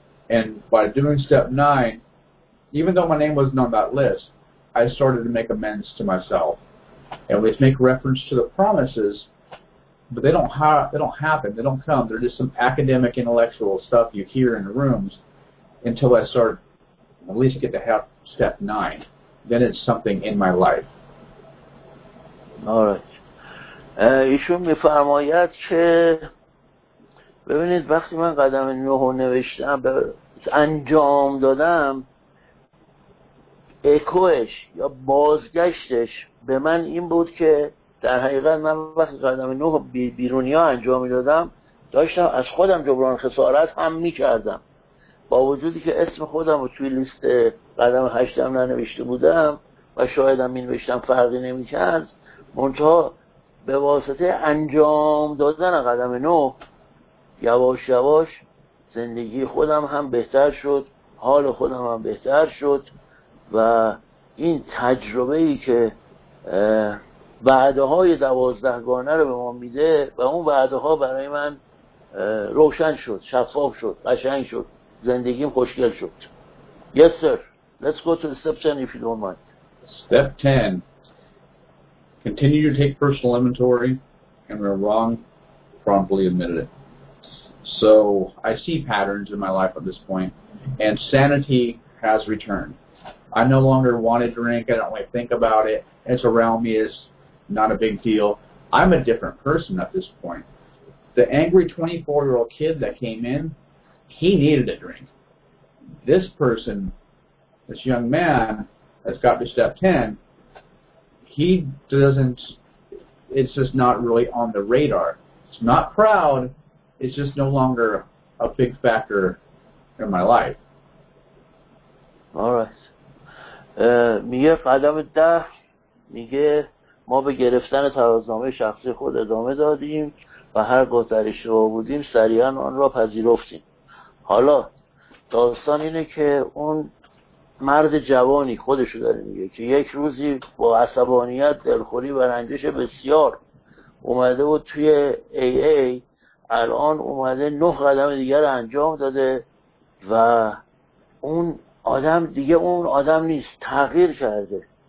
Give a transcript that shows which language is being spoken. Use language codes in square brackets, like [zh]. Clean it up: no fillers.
[en] And by doing step 9, even though my name wasn't on that list, I started to make amends to myself. And we make reference to the promises, but they don't happen, they don't come. They're just some academic intellectual stuff you hear in the rooms until I start at least get to have step 9. Then it's something in my life. All right. [fa] ایشون میفرماید که ببینید وقتی من قدم 9 نوشتم انجام دادم اکوش یا بازگشتش به من این بود که در حقیقت من وقتی قدم 9 بیرونی ها انجام می دادم داشتم از خودم جبران خسارت هم می کردم. با وجودی که اسم خودم رو توی لیست قدم 8 هم ننوشته بودم و شایدم می نوشتم فرقی نمی کرد، منتها به واسطه انجام دادن قدم 9 یواش یواش زندگی خودم هم بهتر شد، حال خودم هم بهتر شد و این تجربه‌ای که وعده های 12 گانه رو به ما میده و اون وعده ها برای من روشن شد، شفاف شد، قشنگ شد، زندگیم خوشگل شد. [en] Yes sir, let's go to step 10 if you don't mind. Step 10, continue to take personal inventory and when wrong, promptly admit it. So I see patterns in my life at this point and sanity has returned. I no longer want to drink, I don't really think about it, it's around me, it's not a big deal. I'm a different person at this point. The angry 24-year-old kid that came in, he needed a drink. This person this young man has got to step 10, he doesn't, it's just not really on the radar. It's not proud, it's just no longer a big factor in my life. All right. [fa] میگه قدم ده میگه ما به گرفتن ترازنامه شخصی خود ادامه دادیم و هر گذرش رو بودیم سریعا آن را پذیرفتیم. حالا داستان اینه که اون مرد جوانی خودشو داره میگه که یک روزی با عصبانیت دلخوری و رنجش بسیار اومده بود توی AA، الان اومده 9 قدم دیگر انجام داده و اون آدم دیگه اون آدم نیست، تغییر کرده،